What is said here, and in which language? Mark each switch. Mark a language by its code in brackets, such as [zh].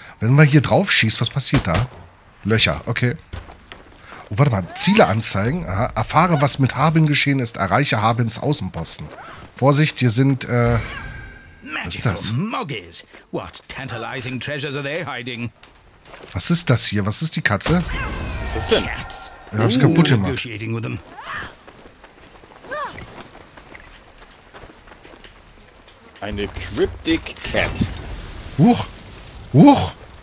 [de] Wenn man hier drauf schießt, was passiert da? Löcher, okay. Oh, warte mal. Ziele anzeigen. Aha. Erfahre, was mit Harbin geschehen ist. Erreiche Harbins Außenposten. Vorsicht, hier sind, was ist das? Muggies. [en] What tantalizing treasures are they hiding? [de] Was ist das hier? Was ist die Katze? Was ist das denn? Ich hab's kaputt gemacht. [en] With them. [de] Eine [en] cryptic cat. Huch! Huch!